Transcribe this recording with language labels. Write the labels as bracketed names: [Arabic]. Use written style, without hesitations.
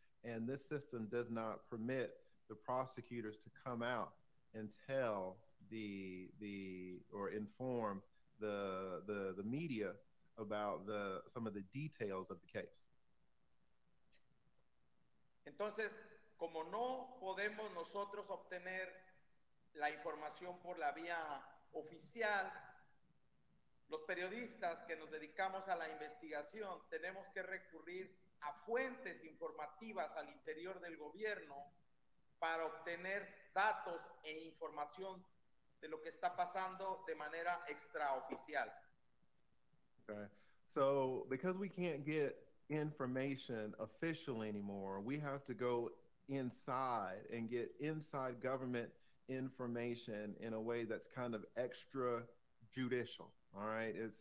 [English] And this system does not permit the prosecutors to come out and tell inform the media about some of the details of the case. [Spanish] Entonces, como no podemos nosotros obtener la información por la vía oficial, los periodistas que nos dedicamos a la investigación tenemos que recurrir a fuentes informativas al interior del gobierno para obtener datos e información de lo que está pasando de manera extraoficial. [English] Okay. So, because we can't get information officially anymore, we have to go inside and get inside government information in a way that's kind of extra judicial, all right?